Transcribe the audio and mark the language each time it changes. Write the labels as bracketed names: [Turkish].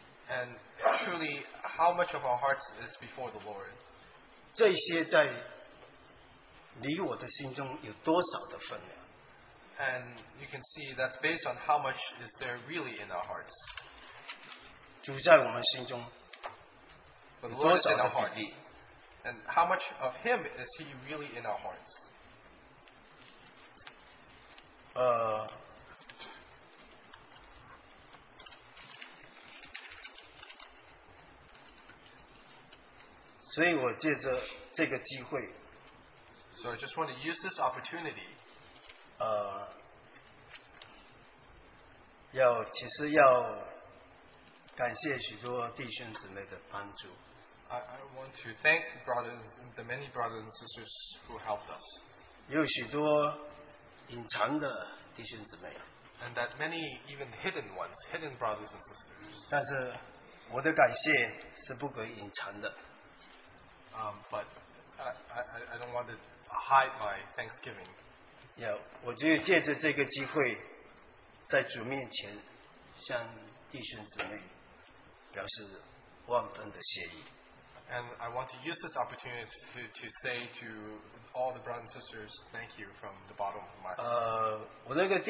[English] And truly, how much of our hearts is before the Lord? [Chinese] 这些在你我的心中有多少的分量? [English] And you can see that's based on how much is there really in our hearts. [Chinese] 主在我们心中, [English] but the Lord is in our heart. And how much of Him is He really in our hearts? [Chinese] 所以我借着这个机会, [English] so I just want to use this opportunity. [Chinese] 要其实要感谢许多弟兄姊妹的帮助。 [English] I want to thank brothers, the many brothers and sisters who helped us. [Chinese] 有许多隐藏的弟兄姊妹。 [English] And that many even hidden ones, hidden brothers and sisters. [Chinese] 但是我的感谢是不可隐藏的。 [English] But I don't want to hide my thanksgiving. [Chinese] 我就借着这个机会 在主面前向弟兄姊妹表示万分的谢意。 [English] And I want to use this opportunity to say to all the brothers and sisters, thank you from the bottom of my heart.